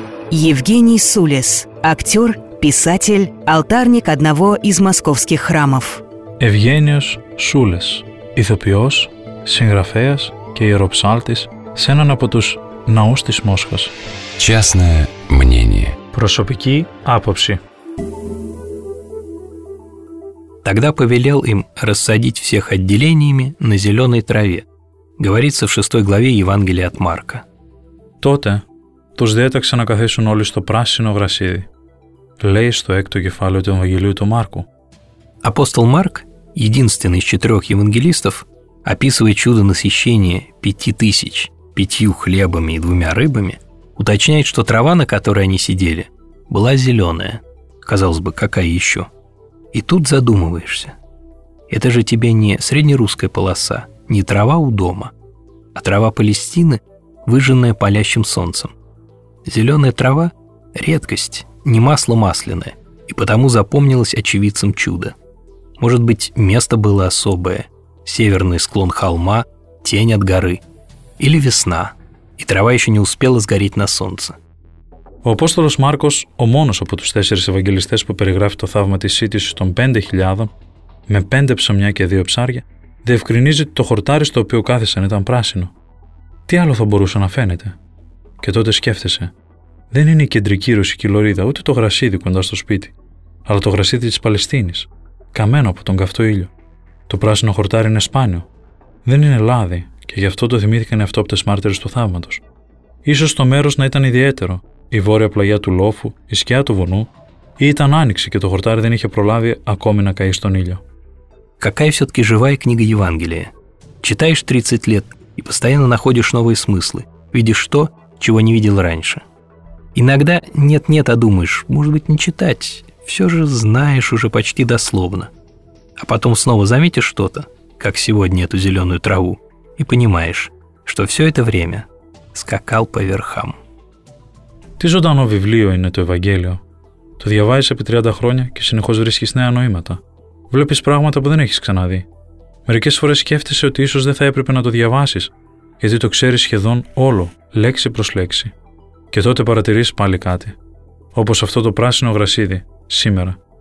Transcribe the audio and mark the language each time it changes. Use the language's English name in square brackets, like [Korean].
[Russian] Евгений Сулес, актер, писатель, алтарник одного из московских храмов. [Greek] Евгениος Сулес, ηθοποιός, συγγραφέας και ιεροψάλτης σε έναν από τους ναούς της Μόσχας. [Russian] Частное мнение. [Greek] Προσωπική άποψη. [Russian] Тогда повелел им рассадить всех отделениями на зеленой траве, говорится в 6 главе Евангелия от Марка. [Greek] Τότε τους διέταξε να καθίσουν όλοι στο πράσινο γρασίδι, λέει στο 6ο κεφάλαιο του Ευαγγελίου του Μάρκου. [Russian] Апостол Марк, единственный из четырех евангелистов, описывает чудо насыщения 5000 пятью хлебами и двумя рыбами, уточняет, что трава, на которой они сидели, была зеленая. Казалось бы, какая еще? И тут задумываешься. Это же тебе не среднерусская полоса, не трава у дома, а трава Палестины, выжженная палящим солнцем. Зеленая трава – редкость, не масло масляное, и потому запомнилось очевидцам чудо. Может быть, место было особое – северный склон холма, тень от горы. Или весна, и трава еще не успела сгореть на солнце. [Greek] Ο Απόστολος Μάρκος, ο μόνος από τους τέσσερις Ευαγγελιστές που περιγράφει το θαύμα της σύτησης των 5.000 με 5 ψωμιά και 2 ψάρια, διευκρινίζει ότι το χορτάρι στο οποίο κάθισαν ήταν πράσινο. Τι άλλο θα μπορούσε να φαίνεται? Και τότε σκέφτεσαι, δεν είναι η κεντρική ρωσική λωρίδα ούτε το γρασίδι κοντά στο σπίτι, αλλά το γρασίδι της Παλαιστίνης, καμένο από τον καυτό ήλιο. Το πράσινο χορτάρι είναι σπάνιο. Δεν είναι λάδι και γι' αυτό το θυμήθηκαν οι αυτόπτες μάρτυρες του θαύματος. Ίσως το μέρος να ήταν ιδιαίτερο. Η βόρεια πλαγιά του λόφου, η σκιά του βουνού, ή ήταν άνοιξη και το χορτάρι δεν είχε προλάβει ακόμη να καεί στον ήλιο. [Russian] Какая все-таки живая книга Евангелия. Читаешь 30 лет и постоянно находишь новые смыслы, видишь то, чего не видел раньше. Иногда нет-нет, а думаешь, может быть, не читать, все же знаешь уже почти дословно. А потом снова заметишь что-то, как сегодня эту зеленую траву, и понимаешь, что все это время скакал по верхам. [Greek] Τι ζωντανό βιβλίο είναι το Ευαγγέλιο. Το διαβάζεις επί 30 χρόνια και συνεχώς βρίσκεις νέα νοήματα. Βλέπεις πράγματα που δεν έχεις ξαναδεί. Μερικές φορές σκέφτεσαι ότι ίσως δεν θα έπρεπε να το διαβάσεις, γιατί το ξέρεις σχεδόν όλο, λέξη προς λέξη. Και τότε παρατηρείς πάλι κάτι. Όπως αυτό το πράσινο γρασίδι, σήμερα.